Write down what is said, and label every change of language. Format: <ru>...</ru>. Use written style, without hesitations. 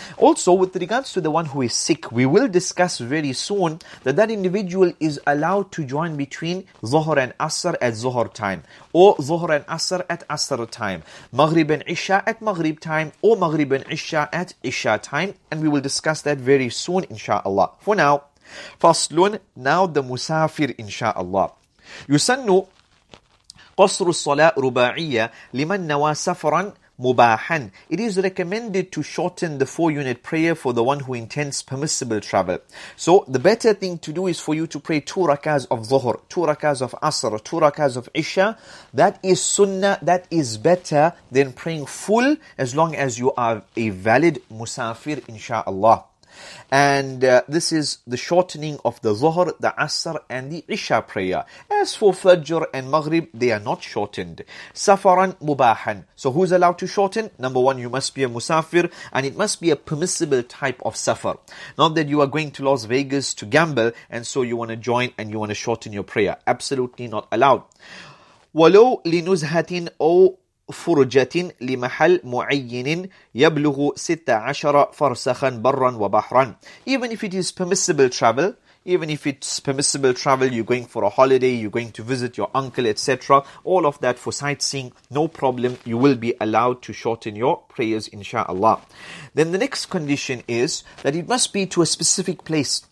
<en>Also, with regards to the one who is sick, we will discuss very soon that individual is allowed to join between Zuhr and Asr at Zuhr time, or Zuhr and Asr at Asr time, Maghrib and Isha at Maghrib time, or Maghrib and Isha at Isha time. And we will discuss that very soon, inshallah. For now, faslun, now the musafir, inshallah.</en> <ar>Yusannu قصر الصلاة رباعية لمن نوى سفرا مباحا.</ar> <en>It is recommended to shorten the four-unit prayer for the one who intends permissible travel. So the better thing to do is for you to pray two rakahs of Dhuhr, two rakahs of Asr, two rakahs of Isha. That is sunnah, that is better than praying full as long as you are a valid musafir, inshaAllah. And this is the shortening of the Zuhr, the Asr, and the Isha prayer. As for Fajr and Maghrib, they are not shortened. Safaran Mubahan. So who's allowed to shorten? Number one, you must be a Musafir, and it must be a permissible type of Safar. Not that you are going to Las Vegas to gamble, and so you want to join and you want to shorten your prayer. Absolutely not allowed.</en> <ar>Walau linuzhatin o فُرُجَةٍ لِمَحَلْ مُعَيِّنٍ يَبْلُغُ 16 فَرْسَخًا بَرًّا وَبَحْرًا.</ar> <en>Even if it is permissible travel, even if it's permissible travel, you're going for a holiday, you're going to visit your uncle, etc. All of that for sightseeing, no problem. You will be allowed to shorten your prayers, inshallah. Then the next condition is that it must be to a specific place.</en>